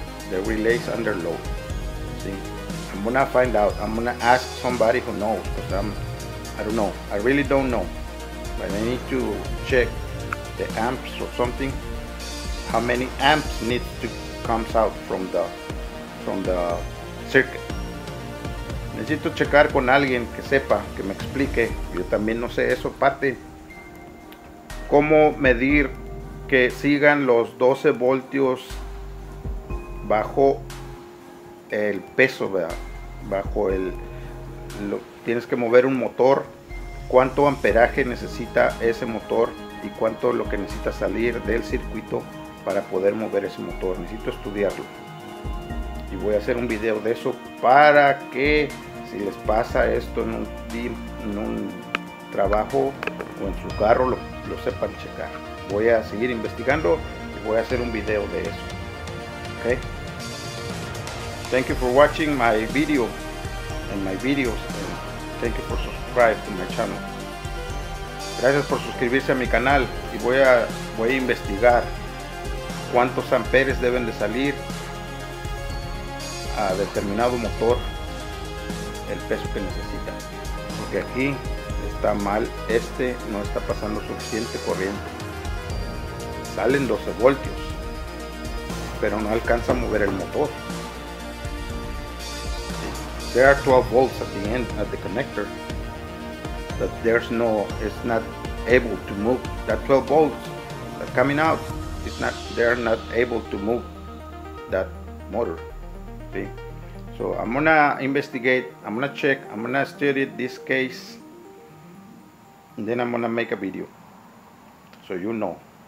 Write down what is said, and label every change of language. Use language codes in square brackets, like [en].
[en] The relays under load. See, I'm gonna find out. I'm gonna ask somebody who knows, because I don't know. I really don't know. But I need to check the amps or something, how many amps need to come out from the circuit. [es] Necesito checar con alguien que sepa, que me explique. Yo también no sé eso, parte. ¿Cómo medir que sigan los 12 voltios bajo el peso, ¿verdad? Bajo el... tienes que mover un motor. ¿Cuánto amperaje necesita ese motor? ¿Y cuánto es lo que necesita salir del circuito para poder mover ese motor? Necesito estudiarlo. Y voy a hacer un video de eso para que... si les pasa esto en un trabajo o en su carro, lo sepan checar. Voy a seguir investigando y voy a hacer un video de eso. [en] Okay. Thank you for watching my video and my videos. And thank you for subscribing to my channel. [es] Gracias por suscribirse a mi canal y voy a investigar cuántos amperes deben de salir a determinado motor. El peso que necesita, porque aquí está mal, este no está pasando suficiente corriente, salen 12 voltios pero no alcanza a mover el motor. [en] There are 12 volts at the end at the connector, but there's no, it's not able to move. That 12 volts that coming out, it's not, they're not able to move that motor. See? So I'm gonna investigate, I'm gonna check, I'm gonna study this case, and then I'm gonna make a video so you know.